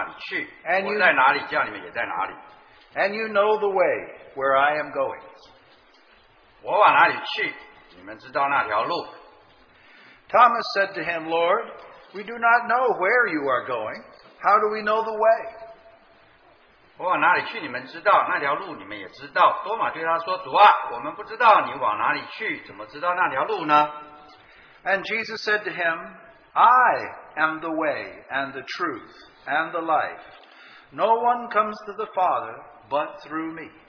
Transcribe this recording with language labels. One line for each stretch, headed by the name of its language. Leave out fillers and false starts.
Chinese: 我若去为你们预备的地方,就必再来接你们到我那里去。我在哪里,叫你们也在哪里。
English: And you know the way where I am going.
Chinese: 我往哪里去,
English: Thomas said to him, Lord, we do not know where you are going. How do we know the way?
Chinese: 我往哪里去,你们知道,那条路你们也知道。多马对他说,主啊,我们不知道你往哪里去,怎么知道那条路呢?
English: And Jesus said to him, I am the way and the truth and the life. No one comes to the Father but through me.